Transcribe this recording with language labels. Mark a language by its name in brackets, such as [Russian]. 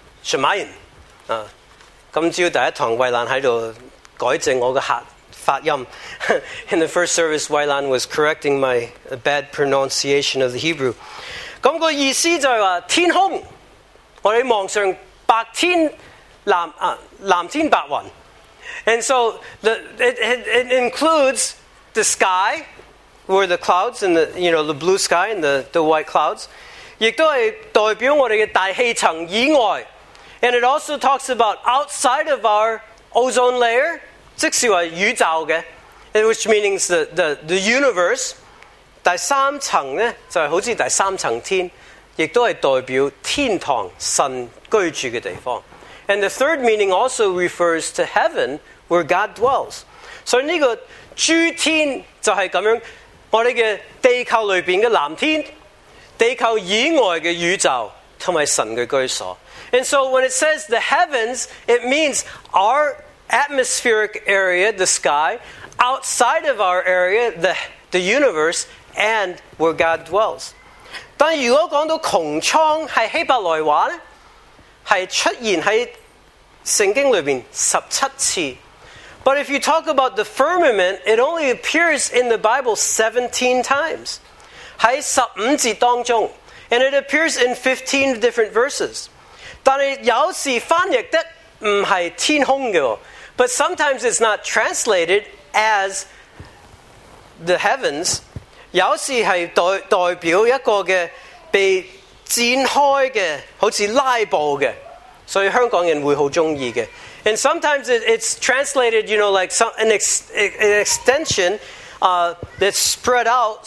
[Chinese] 今朝第一堂卫兰在这里改正我的发音. [English] In the first service, Wailan was correcting my bad pronunciation of the Hebrew. [Chinese] 那个意思就是说天空，我们望上白天，蓝天白云。 [English] And so it includes the sky, where the clouds and the, you know, the blue sky and the white clouds. [Chinese] 也都是代表我们的大气层以外。 [English] And it also talks about outside of our ozone layer. [Chinese] 即是说宇宙的 [English] which means the universe. [Chinese] 第三层呢，就是好像第三层天，亦都是代表天堂，神居住的地方。 [English] And the third meaning also refers to heaven, where God dwells. [Chinese] 所以这个诸天就是这样，我们的地球里面的蓝天，地球以外的宇宙，和神的居所。 [English] And so when it says the heavens, it means our atmospheric area, the sky, outside of our area, the universe, and where God dwells. [Chinese] 但如果讲到穹苍是希伯来话呢，是出现在圣经里面17次。 [English] But if you talk about the firmament, it only appears in the Bible 17 times. [Chinese] 在15节当中， [English] and it appears in 15 different verses. [Chinese] 但有时翻译的不是天空的， [English] but sometimes it's not translated as the heavens. [Chinese] 有时是代表一个的被展开的，好像拉布的，所以香港人会很喜欢的。 [English] And sometimes it's translated, you know, like an extension that's spread out.